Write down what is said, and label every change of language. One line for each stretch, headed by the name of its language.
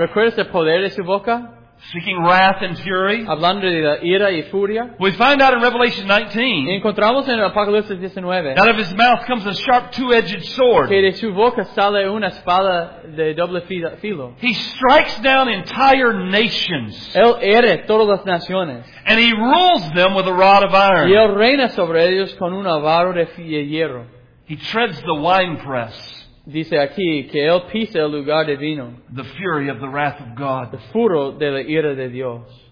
Spanish: ¿Recuerdas el poder de su boca?
English: Seeking wrath and fury.
Spanish: Hablando de la ira y furia.
English: We find out in Revelation 19.
Spanish: Encontramos en Apocalipsis 19.
English: Out of his mouth comes a sharp two-edged sword.
Spanish: Que de su boca sale una espada de doble filo.
English: He strikes down entire nations.
Spanish: Él hiere todas las naciones.
English: And he rules them with a rod of iron.
Spanish: Y él reina sobre ellos con un vara de hierro.
English: He treads the winepress.
Spanish: Dice aquí que él pisa el lugar de vino.
English: The fury of the wrath of God.
Spanish: El furor de la ira de Dios.